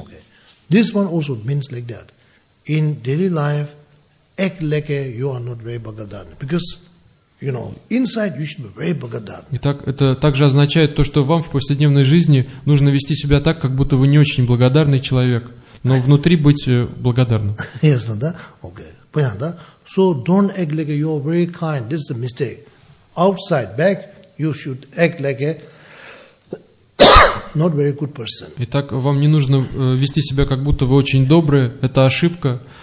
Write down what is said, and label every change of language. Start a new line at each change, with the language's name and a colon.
English: Okay. This one also means like that. In daily life, act like you are not very благодарен. Because, you know, inside you should be very благодарен.
Russian: Итак, это также означает то, что вам в повседневной жизни нужно вести себя так, как будто вы не очень благодарный человек, но внутри быть благодарным. Ясно, да? Okay. Понятно, да?
English: So don't act like you are very kind. This is a mistake. Outside, back, you should act like not very good person.
Russian: Итак, вам не нужно вести себя, как будто вы очень добрый. Это ошибка.